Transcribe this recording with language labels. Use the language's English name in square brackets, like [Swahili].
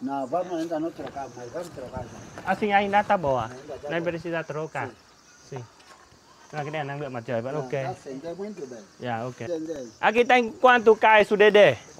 [Portuguese] Não, vamos ainda não trocar, mas vamos trocar. Já. Assim ainda tá boa. Nem precisa trocar. Sim. [Vietnamese] Cái đèn năng lượng mặt trời vẫn ok. Dạ, ok. [Portuguese] Aqui tem quanto caixo de dê?